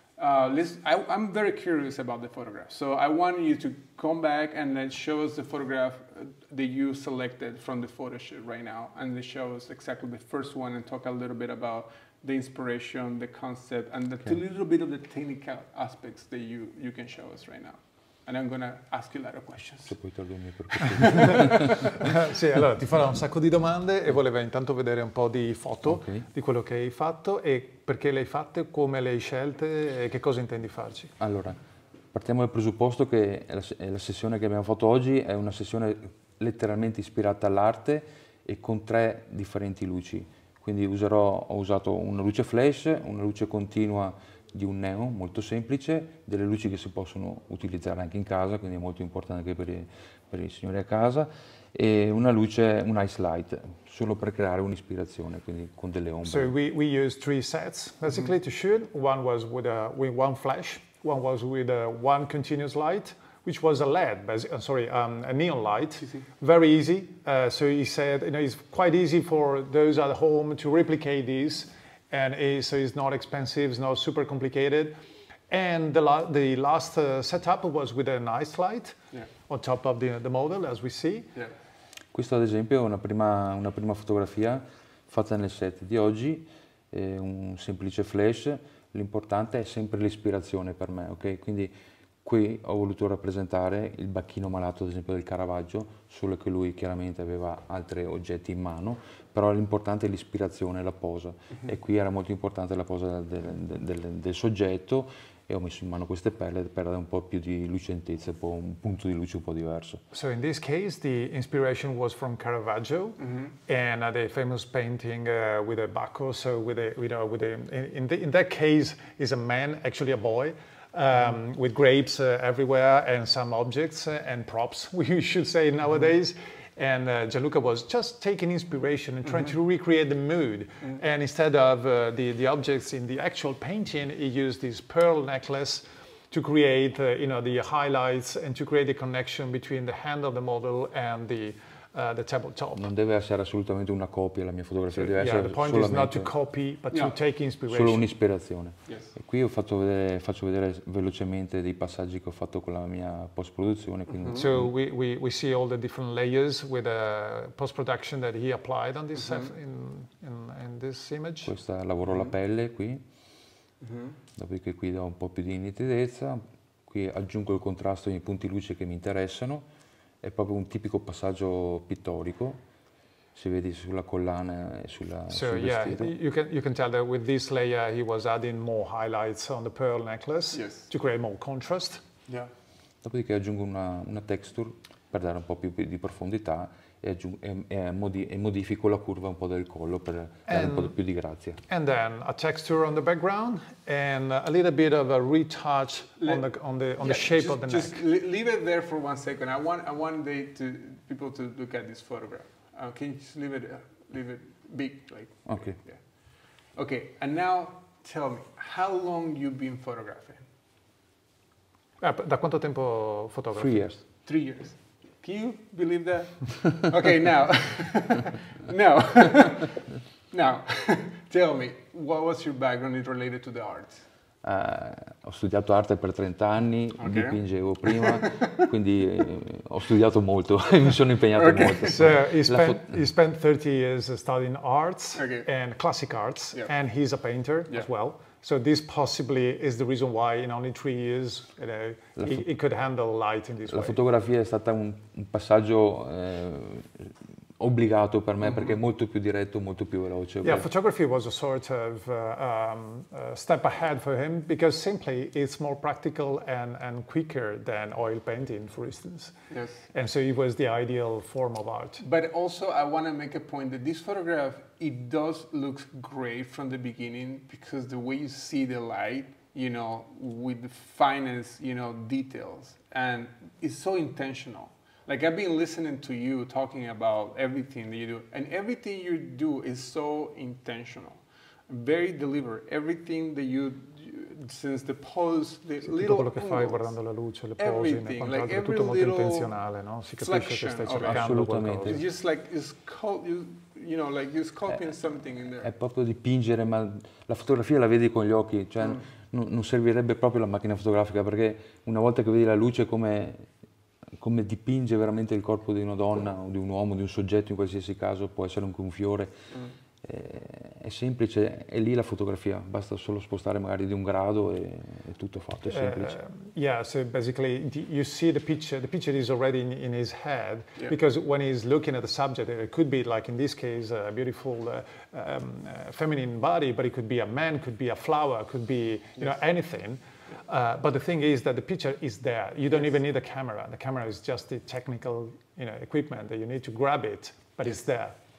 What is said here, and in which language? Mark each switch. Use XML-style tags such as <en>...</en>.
<en>I'm very curious about the photograph. So I want you to come back and then show us the photograph that you selected from the photo shoot right now, and then show us exactly the first one and talk a little bit about the inspiration, the concept, and the little bit of the technical aspects that you can show us right now. And I'm going to ask you a lot of questions.</en> <it>Se puoi togliermi per questo. Sì, allora ti farò un sacco di domande e voleva intanto vedere un po' di foto di quello che hai fatto e perché le hai fatte, come le hai scelte e che cosa intendi farci. Allora, partiamo dal presupposto che la sessione che abbiamo fatto oggi è una sessione letteralmente ispirata all'arte e con tre differenti luci. Quindi ho usato una luce flash, una luce continua di un neon molto semplice, delle luci che si possono utilizzare anche in casa, quindi è molto importante anche per i signori a casa, e una luce, un ice light, solo per creare un'ispirazione, quindi con delle ombre.</it> <en>So we used three sets basically to shoot. One was with one flash, one was with one continuous light, which was a LED, a neon light, very easy. So he said, you know, it's quite easy for those at home to replicate this, and so it's not expensive, it's not super complicated. And the last setup was with a nice light on top of the model, as we see. Yeah.</en> <it>Questo ad esempio è una prima fotografia fatta nel set di oggi, è un semplice flash. L'importante è sempre l'ispirazione per me, ok? Quindi qui ho voluto rappresentare il bacchino malato, ad esempio, del Caravaggio, solo che lui chiaramente aveva altri oggetti in mano, però l'importante è l'ispirazione, la posa. E qui era molto importante la posa del soggetto e ho messo in mano queste pelle per dare un po' più di lucentezza, un punto di luce un po' diverso.</it> <en>So in this case the inspiration was from Caravaggio and the famous painting with a bacco, so in that case is a man, actually a boy, with grapes everywhere and some objects and props, we should say nowadays. And Gianluca was just taking inspiration and trying to recreate the mood. And instead of the objects in the actual painting, he used this pearl necklace to create the highlights and to create the connection between the hand of the model and the tabletop.</en> <it>Non deve essere assolutamente una copia la mia fotografia, deve essere</it> <en>the point</en> <it>solamente</it> <en>is not to copy, but to take inspiration.</en> <it>Solo un'ispirazione.</it> <en>Yes.</en> <it>E qui faccio vedere velocemente dei passaggi che ho fatto con la mia post produzione.</it> <en>So we see all the different layers with the post production that he applied on this in this image.</en> <it>Questa lavoro la pelle qui. Dopodiché qui do un po' più di nitidezza, qui aggiungo il contrasto nei punti luce che mi interessano. È proprio un tipico passaggio pittorico, si vede sulla collana e sul vestito.</it> <en>Yeah, you can tell that with this layer he was adding more highlights on the pearl necklace to create more contrast. Yeah.</en> <it>Dopodiché aggiungo una texture per dare un po' più di profondità e modifico la curva un po' del collo per dare un po' più di grazia.</it> <en>And then a texture on the background and a little bit of a retouch on the shape of the neck. Just leave it there for one second. I want people to look at this photograph. Can you just leave it big, like? Okay. Yeah. Okay. And now tell me, how long you've been photographing?</en> <it>Da quanto tempo fotografi?</it> <en>3 years. 3 years. Can you believe that? Okay, now. No. Now, tell me, what was your background in related to the arts?</en> <it>Ho studiato arte per 30 anni, dipingevo prima, quindi ho studiato molto, mi sono impegnato molto.</it> <en>So, he spent 30 years studying arts and classic arts, and he's a painter as well. So this possibly is the reason why in only 3 years he could handle light in this way.</en> <it>La fotografia è stata un passaggio obbligato per me perché è molto più diretto, molto più veloce.</it> <en>Yeah, photography was a sort of step ahead for him because simply it's more practical and quicker than oil painting, for instance. Yes. And so it was the ideal form of art. But also I want to make a point that this photograph, it does look great from the beginning because the way you see the light, you know, with the finest, you know, details, and it's so intentional. Like, I've been listening to you talking about everything that you do, and everything you do is so intentional, very deliberate. Everything that you, since the pose, the little</en> <it>quello che fai guardando la luce, le pose,</it> <en>everything, like</en> <it>altro,</it> <en>every</en> <it>tutto</it> <en>little</en> <it>molto intenzionale, no? Si capisce che stai cercando assolutamente.</it> <en>It's just like, you're sculpting something in there.</en> <it>È proprio dipingere, ma la fotografia la vedi con gli occhi, cioè non servirebbe proprio la macchina fotografica, perché una volta che vedi la luce come dipinge veramente il corpo di una donna o di un uomo, di un soggetto in qualsiasi caso, può essere anche un fiore, è semplice, è lì la fotografia, basta solo spostare magari di un grado e è tutto fatto, è semplice.</it> <en>Yeah, so basically you see the picture is already in his head, yeah. Because when he's looking at the subject, it could be like in this case a beautiful feminine body, but it could be a man, could be a flower, could be, you know, anything. But the thing is that the picture is there. You don't even need a camera. The camera is just the technical, you know, equipment that you need to grab it, but it's there.</en>